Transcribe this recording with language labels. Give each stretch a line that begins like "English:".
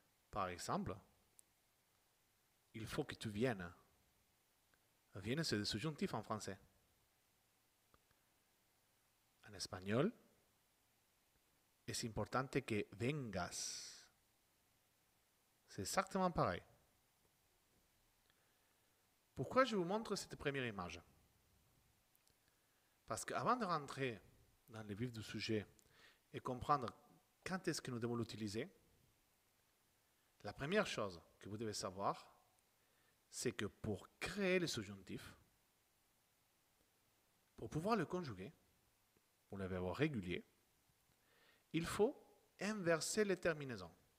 French: Par exemple, il faut que tu viennes. Viennes, c'est des subjonctifs en français. En espagnol,
Spanish: Es importante que vengas.
French: C'est exactement pareil. Pourquoi je vous montre cette première image? Parce qu'avant de rentrer dans le vif du sujet et comprendre quand est-ce que nous devons l'utiliser, la première chose que vous devez savoir, c'est que pour créer le subjonctif, pour pouvoir le conjuguer, pour le verbe régulier, il faut inverser les terminaisons.